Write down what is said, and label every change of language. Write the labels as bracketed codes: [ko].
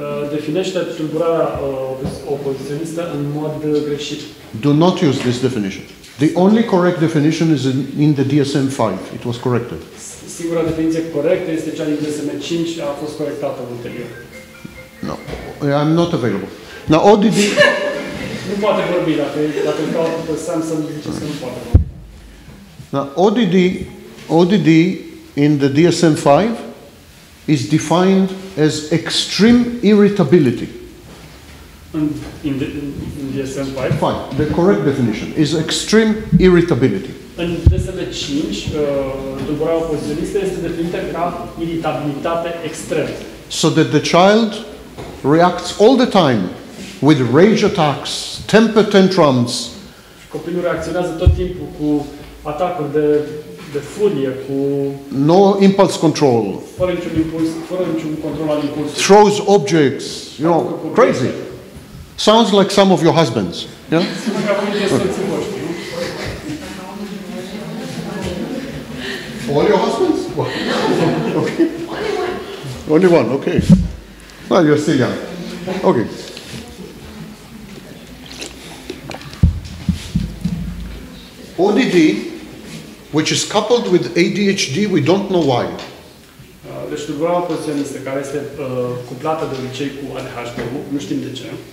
[ro] Definește tulburarea opoziționistă în mod greșit. [en] Do not use this definition. The only correct definition is in the DSM-5. It was corrected. [ro] Singura definiție corectă este cea din DSM-5, a fost corectată ulterior. [en] No, I'm not available. Now, ODD... [ro] nu poate vorbi, dacă îl caută pe Sam să-mi zice că nu poate vorbi. [en] Now, ODD, ODD in the DSM-5 is defined as extreme irritability. In DSM-5? Fine, the correct definition is extreme irritability. [ro] În DSM-5, tulburarea opoziționistă este definită ca iritabilitate extremă. [en] So that the child reacts all the time with rage attacks, temper tantrums. [ro] Copilul reacționează tot timpul cu atacuri de furie, cu [en] no impulse control. [ro] Fără niciun impuls, fără niciun control al impulsului. [en] Throws objects, you know, crazy. Sounds like some of your husbands, yeah? All your husbands? Okay. Only one. Only one, okay. Well, you're still young. Okay. ODD, which is coupled with ADHD, we don't know why. [ro] Deci, tulburarea opoziționistă, care este cuplată de obicei cu ADHD, nu știm de ce.